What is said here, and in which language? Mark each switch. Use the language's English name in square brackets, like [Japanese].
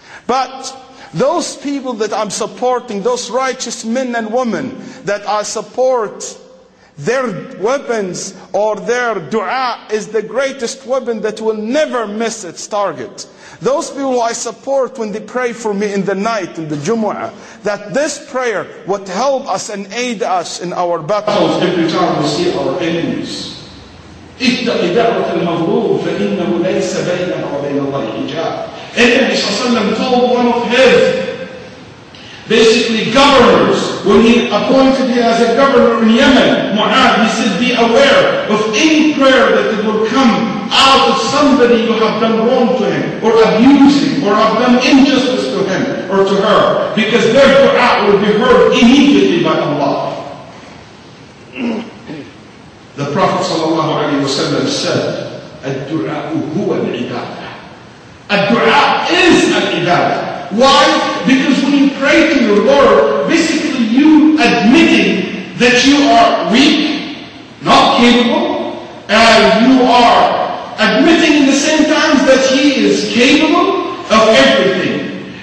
[English] But those people that I'm supporting, those righteous men and women that I support, their weapons or their dua is the greatest weapon that will never miss its target. Those people I support when they pray for me in the night, in the Jumu'ah, that this prayer would help us and aid us in our battles. Every time we see our enemies, [Arabic] اتَّقِ دَعْوَةَ الْمَغْرُورِ فَإِنَّهُ لَيْسَ بَيْنَكَ وَبَيْنَ اللَّهِ حِجَابٌ. [English] And Nabi Sallallahu Alaihi Wasallam told one of his basically governors, when he appointed him as a governor in Yemen, Mu'adh, he said, be aware of any prayer that it will come out of somebody you have done wrong to him, or abusing, or have done injustice to him or to her, because their dua will be heard immediately by Allah. The Prophet ﷺ said, [Arabic] الدُّعَاءُ هُوَ الْعِبَادَةُ. [English] الدُّعَاء is an ibadah. Why? Because when you pray to your Lord, basically you admitting that you are weak, not capable, and you are admitting in the same times that He is capable of everything.